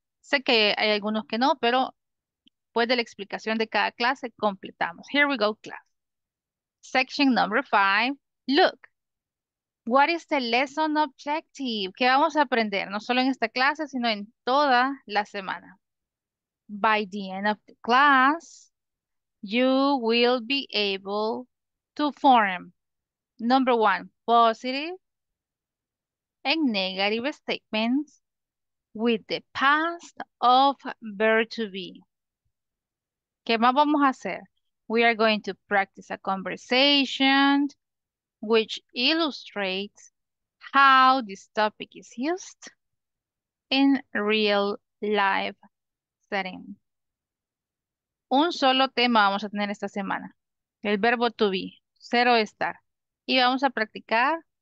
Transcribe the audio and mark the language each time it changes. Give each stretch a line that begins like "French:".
Spanish: Sé que hay algunos que no, pero después de la explicación de cada clase, completamos.
English: Here we go, class. Section number 5. Look, what is the lesson objective?
Spanish: ¿Qué vamos a aprender? No solo en esta clase, sino en toda la semana.
English: By the end of the class, you will be able to form number one, positive and negative statements with the past of verb to be.
Spanish: ¿Qué más vamos a hacer?
English: We are going to practice a conversation which illustrates how this topic is used in real life setting.
Spanish: Un solo tema vamos a tener esta semana, el verbo to be, ser o estar. Y vamos a practicar